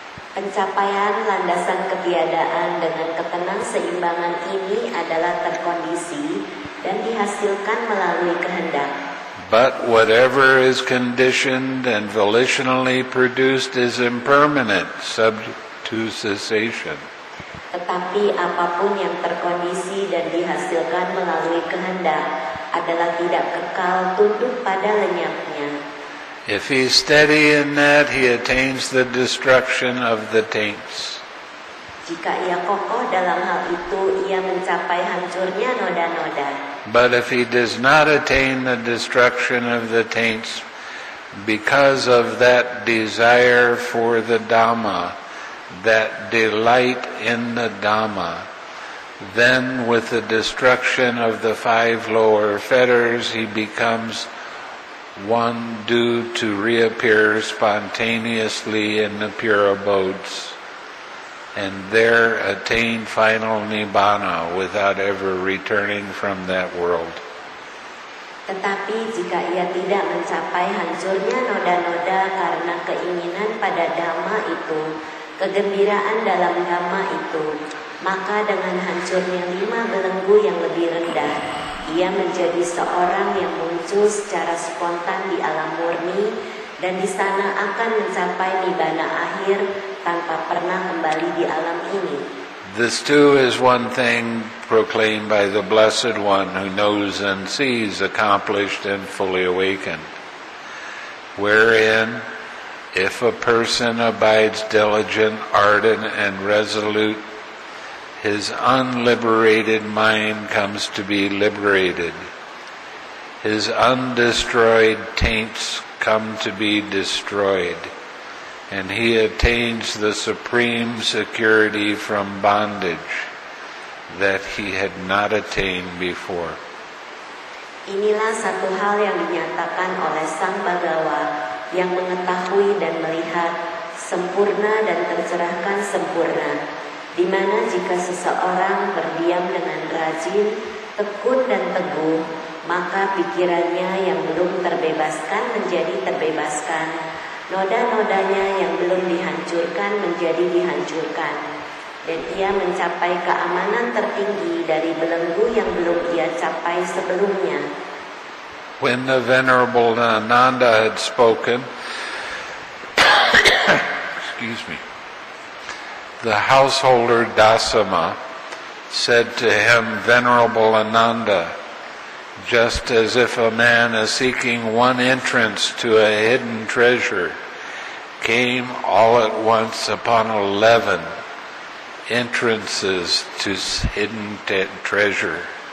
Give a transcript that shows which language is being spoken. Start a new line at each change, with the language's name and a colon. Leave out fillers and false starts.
Indonesian: Pencapaian landasan ketiadaan dengan ketenang seimbangan ini adalah terkondisi dan dihasilkan melalui kehendak.
English: But whatever is conditioned and volitionally produced is impermanent, subject to cessation.
Indonesian: Tetapi apapun yang terkondisi dan dihasilkan melalui kehendak adalah tidak kekal, tunduk pada lenyapnya.
English: If he is steady in that, he attains the destruction of the taints.
Indonesian: Jika ia kokoh dalam hal itu, ia mencapai hancurnya noda-noda.
English: But if he does not attain the destruction of the taints because of that desire for the Dhamma, that delight in the Dhamma, then with the destruction of the five lower fetters, he becomes one due to reappear spontaneously in the pure abodes and there attain final Nibbana without ever returning from that world.
Indonesian: Tetapi jika ia tidak mencapai hancurnya noda-noda karena keinginan pada Dhamma itu, kegembiraan dalam Dhamma itu, maka dengan hancurnya lima belenggu yang lebih rendah, ia menjadi seorang yang muncul secara spontan di alam murni dan di sana akan mencapai nibbana akhir tanpa pernah kembali di alam ini.
English: This too is one thing proclaimed by the Blessed One who knows and sees, accomplished and fully awakened, wherein if a person abides diligent, ardent, and resolute, his unliberated mind comes to be liberated. His undestroyed taints come to be destroyed. And he attains the supreme security from bondage that he had not attained before.
Indonesian: Inilah satu hal yang dinyatakan oleh Sang Bhagawa, yang mengetahui dan melihat sempurna dan tercerahkan sempurna, di mana jika seseorang berdiam dengan rajin, tekun dan teguh, maka pikirannya yang belum terbebaskan menjadi terbebaskan, noda-nodanya yang belum dihancurkan menjadi dihancurkan, dan ia mencapai keamanan tertinggi dari belenggu yang belum ia capai sebelumnya.
English: When the Venerable Ananda had spoken, excuse me, the householder Dasama said to him, "Venerable Ananda, just as if a man is seeking one entrance to a hidden treasure, came all at once upon 11 entrances to hidden treasure."